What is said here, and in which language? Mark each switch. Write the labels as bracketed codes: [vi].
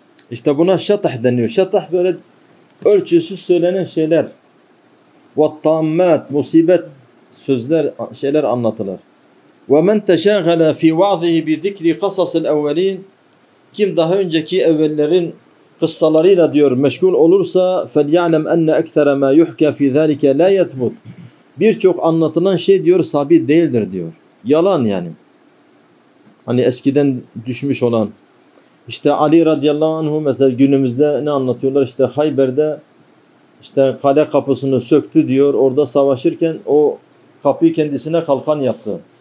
[tr] İşte buna şatah deniyor. Şatah böyle ölçüsüz söylenen şeyler. Vattammat, musibet sözler, şeyler anlatılır. [ar] Ve men teşagala fi va'zihi bi zikri kasasil evvelin. [tr] Kim daha önceki evvellerin kıssalarıyla diyor meşgul olursa, [ar] فَلْيَعْلَمْ اَنَّ اَكْثَرَ مَا يُحْكَى فِي ذَٰلِكَ لَا يَثْبُتْ. [tr] Birçok anlatılan şey diyor sabit değildir diyor. Yalan yani. Hani eskiden düşmüş olan. İşte Ali radıyallahu anhu mesela günümüzde ne anlatıyorlar? İşte Hayber'de işte kale kapısını söktü diyor. Orada savaşırken o kapıyı kendisine kalkan yaptı.